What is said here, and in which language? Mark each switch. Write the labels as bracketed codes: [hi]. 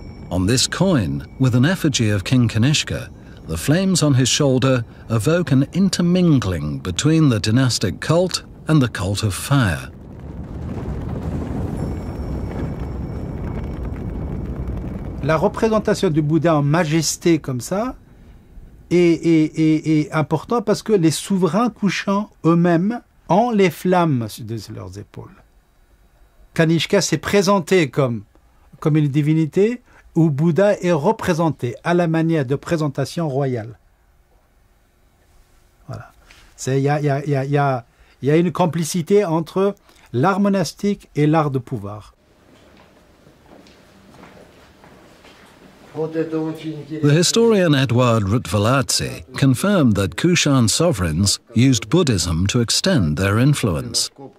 [en] On this coin, with an effigy of King Kanishka, the flames on his shoulder evoke an intermingling between the dynastic cult and the cult of fire. [fr] La représentation du Bouddha en majesté comme ça est important parce que les souverains couchants eux-mêmes ont les flammes sur leurs épaules. Kanishka s'est présenté comme une divinité où Bouddha est représenté à la manière de présentation royale. Voilà. C'est il y a une complicité entre l'art monastique et l'art de pouvoir. [en] The historian Edward Rutvalazzi confirmed that Kushan sovereigns used Buddhism to extend their influence.